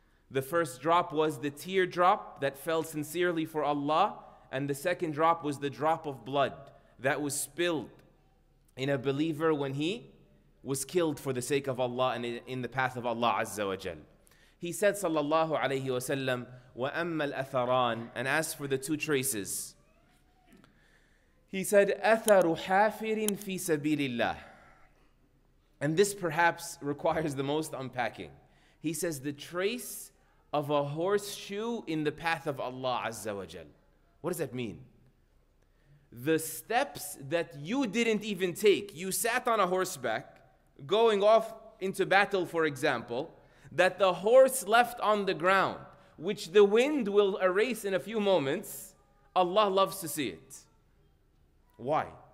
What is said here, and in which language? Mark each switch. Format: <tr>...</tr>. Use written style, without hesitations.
<en>The first drop was the teardrop that fell sincerely for Allah, and the second drop was the drop of blood that was spilled in a believer when he was killed for the sake of Allah and in the path of Allah Azza wa Jal. He said, sallallahu alayhi wa sallam,</en> <ar>وَأَمَّا الْأَثَرَانِ,</ar> <en>and as for the two traces, He said,</en> <ar>أَثَرُ حَافِرٍ فِي سَبِيلِ اللَّهِ.</ar> <en>And this perhaps requires the most unpacking. He says, the trace of a horseshoe in the path of Allah Azza wa Jal. What does that mean? The steps that you didn't even take, you sat on a horseback, going off into battle, for example, that the horse left on the ground, which the wind will erase in a few moments, Allah loves to see it. Why?</en>